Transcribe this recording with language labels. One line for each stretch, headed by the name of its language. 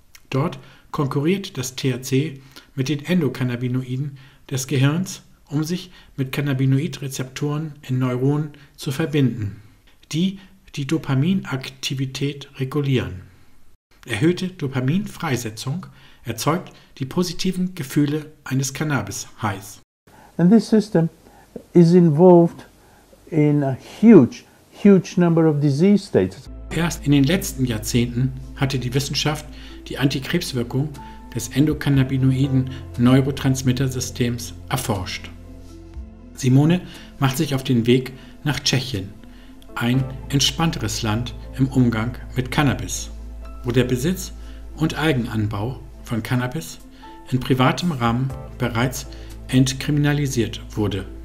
German: Dort konkurriert das THC mit den Endocannabinoiden des Gehirns, um sich mit Cannabinoid-Rezeptoren in Neuronen zu verbinden, die die Dopaminaktivität regulieren. Erhöhte Dopaminfreisetzung erzeugt die positiven Gefühle eines Cannabis-Highs.
English: And this system is involved in a huge number of disease states.
German: Erst in den letzten Jahrzehnten hatte die Wissenschaft die Antikrebswirkung des endokannabinoiden Neurotransmittersystems erforscht. Simone macht sich auf den Weg nach Tschechien, ein entspannteres Land im Umgang mit Cannabis, wo der Besitz und Eigenanbau von Cannabis in privatem Rahmen bereits entkriminalisiert wurde.